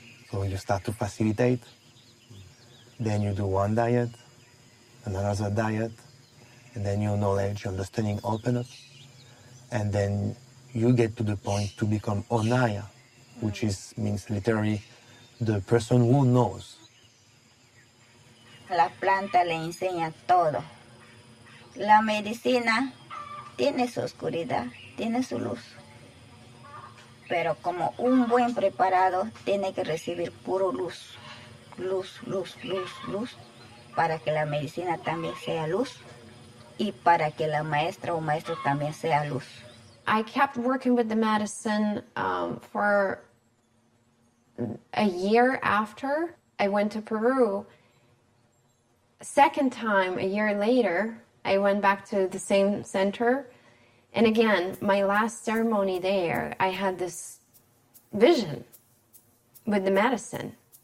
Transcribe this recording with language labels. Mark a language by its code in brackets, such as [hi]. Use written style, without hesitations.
[en] So you start to facilitate. Then you do one diet, another diet, and then your knowledge, your understanding open up. And then you get to the point to become Onaya, which is means literally the person who knows. [es] La planta le enseña todo. La medicina tiene su oscuridad, tiene su luz. Pero como un buen preparado, tiene que recibir puro luz. Luz, luz, luz, luz. Para que la medicina también sea luz. Y para que la maestra o maestro también sea luz. [en] I kept working with the medicine for a year after I went to Peru. Second time, a year later, I went back to the same center. And again, my last ceremony there, I had this vision with the medicine.